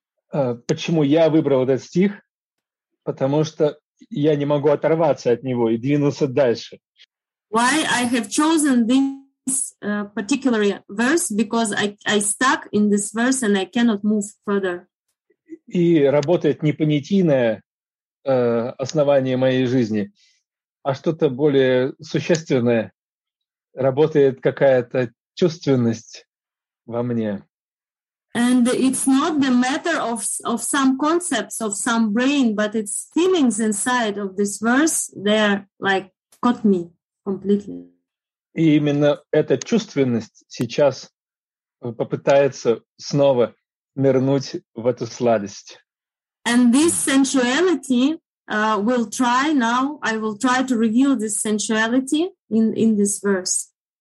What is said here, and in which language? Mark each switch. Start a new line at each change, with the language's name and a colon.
Russian: Почему я выбрал этот стих? Потому что я не могу оторваться от него и двинуться дальше.
English: Why I have chosen this particular verse? Because I stuck in this verse and I cannot move further.
Russian: И работает не понятийное основание моей жизни, а что-то более существенное. Работает какая-то чувственность во мне.
English: And it's not the matter of some concepts of some brain, but it's feelings inside of this verse. They're like caught me completely.
Russian: И именно эта чувственность сейчас попытается снова нырнуть в эту сладость.
English: And this sensuality will try now. I will try to reveal this sensuality in this verse.